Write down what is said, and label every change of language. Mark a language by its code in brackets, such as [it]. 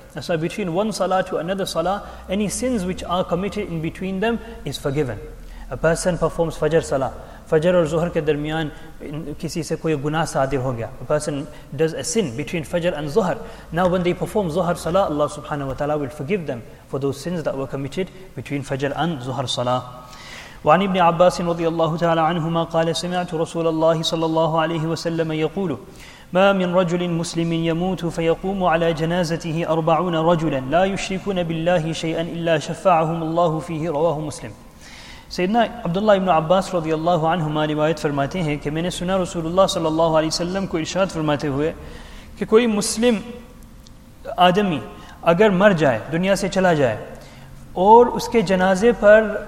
[en] And so between one salah to another salah, any sins which are committed in between them is forgiven. A person performs Fajr salah. [ur] Fajr aur Zuhr ke darmiyan kisi se koi gunah sadir ho gaya. [en] A person does a sin between Fajr and Zuhr. Now when they perform Zuhr salah, Allah subhanahu wa ta'ala will forgive them for those sins that were committed between Fajr and Zuhr salah. [ar] وعن ابن عباس رضي الله تعالى عنهما قال سمعت رسول الله صلى الله عليه وسلم يقول ما من رجل مسلم يموت فيقوم على جنازته أربعون رجلا لا يشركون بالله شيئا إلا شفعهم الله فيه رواه مسلم. [ur] سيدنا عبد الله بن عباس رضي الله عنهما روایت فرماتے ہیں کہ میں نے سنا رسول الله صلى الله عليه وسلم کو ارشاد فرماتے ہوئے کہ کوئی مسلم آدمی اگر مر جائے، دنیا سے چلا جائے، اور اس کے جنازے پر